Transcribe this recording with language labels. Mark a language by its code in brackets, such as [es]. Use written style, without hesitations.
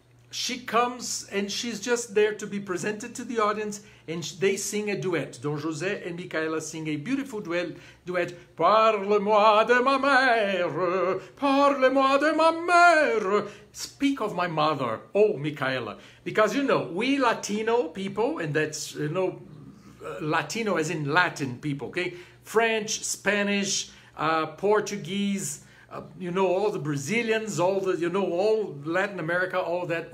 [en] She comes and she's just there to be presented to the audience, and they sing a duet. Don José and Micaela sing a beautiful duet. [fr] Parle-moi de ma mère, parle-moi de ma mère. [en] Speak of my mother, oh Micaela. Because, you know, we Latino people, and that's, you know, Latino as in Latin people, okay? French, Spanish, Portuguese, you know, all the Brazilians, all the, you know, all Latin America, all that.